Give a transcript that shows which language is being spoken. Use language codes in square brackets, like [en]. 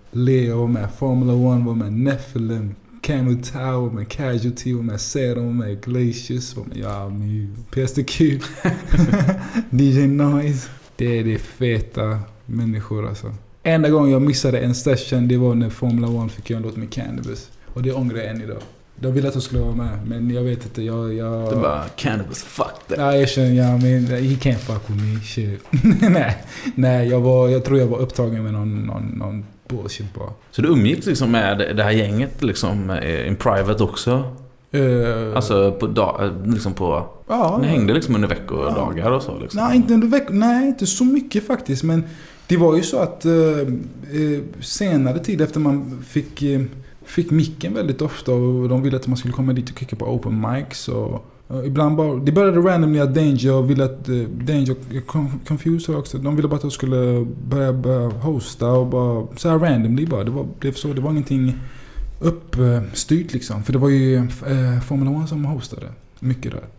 [sv] Leo var med. Formula One var med. Nephilim. Camu Tao var med. Casualty var med. Sedan var med. Glacius var med. Ja, med PS The Cube. DJ Noise. Det är de feta människor alltså. Enda gång jag missade en session, det var när Formula One fick en låt med Cannabis. Och det ångrar jag än idag. De ville att jag skulle vara med, men jag vet inte, jag... Det var Cannabis, fuck that. [en] Nej, jag känner, yeah, I mean, he can't fuck with me, shit. [sv] Nej, jag tror jag var upptagen med någon bullshit bara. Så du umgicks liksom med det här gänget liksom in private också? Alltså på ni hängde liksom under veckor och dagar och så liksom. Nej, inte under veckor, nej, inte så mycket faktiskt, men det var ju så att senare tid efter man fick micken väldigt ofta och de ville att man skulle komma dit och kicka på open mics och ibland bara, det började randomly att Danger ville att Danger Confuser också, de ville bara att jag skulle börja hosta och bara så här randomly bara, det var, blev så, det var ingenting uppstyrt liksom, för det var ju Formula One som hostade mycket där.